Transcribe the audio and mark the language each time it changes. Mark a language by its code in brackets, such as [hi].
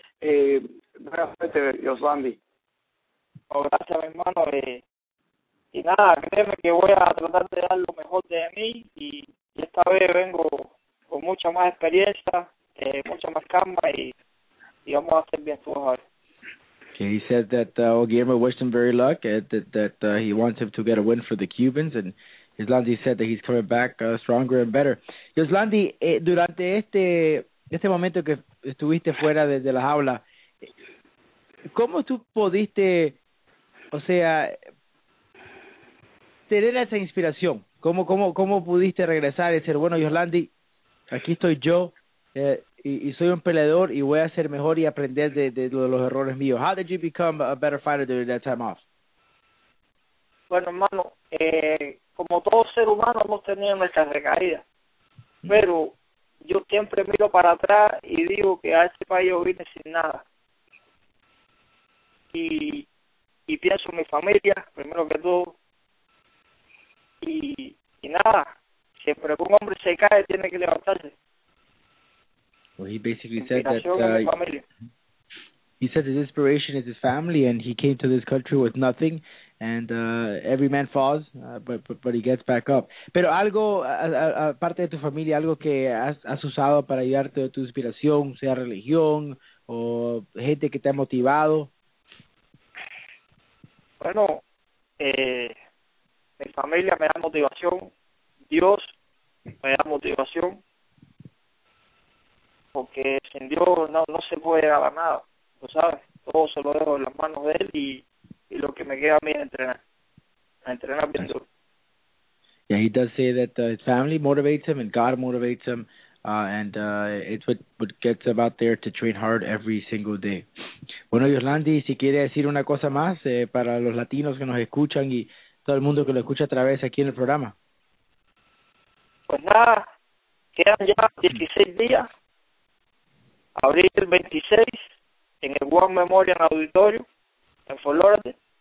[es] Gracias, Yoslandi. Gracias, hermano. Y nada, créeme que voy a tratar de dar lo mejor de mí, y esta vez vengo con mucha más experiencia, mucha más calma, y vamos a hacer bien su mejor. [en] Okay, he said that Guillermo wished him very luck, that he wants him to get a win for the Cubans, and Yoslandi said that he's coming back stronger and better. [es] Yoslandi, durante este momento que estuviste fuera de la jaula, ¿cómo tú pudiste, o sea, tener esa inspiración? ¿Cómo pudiste regresar y decir, bueno, Yoslandi, aquí estoy yo, y soy un peleador y voy a ser mejor y aprender de los errores míos? [en] How did you become a better fighter during that time off? [es] Bueno, hermano, como todo ser humano hemos tenido nuestras recaídas, pero yo siempre miro para atrás y digo que a este país yo vine sin nada. Y pienso en mi familia, primero que todo. Y nada, siempre que un hombre se cae, tiene que levantarse. [en] Well, he basically said that he said his inspiration is his family, and he came to this country with nothing, and every man falls, but he gets back up. [es] Pero algo, aparte de tu familia, algo que has usado para ayudarte de tu inspiración, sea religión o gente que te ha motivado. Bueno, mi familia me da motivación, Dios me da motivación. Porque sin Dios no se puede llegar a nada, tú sabes, todo se lo dejo en las manos de él, y lo que me queda a mí es entrenar bien duro. [en] Yeah, he does say that his family motivates him and God motivates him, it's what gets him out there to train hard every single day. [es] Bueno, Yoslandi, si quiere decir una cosa más para los latinos que nos escuchan y todo el mundo que lo escucha a través aquí en el programa. Pues nada, quedan ya 16 días. Abril 26, en el War Memorial Auditorio, en Fort Lauderdale.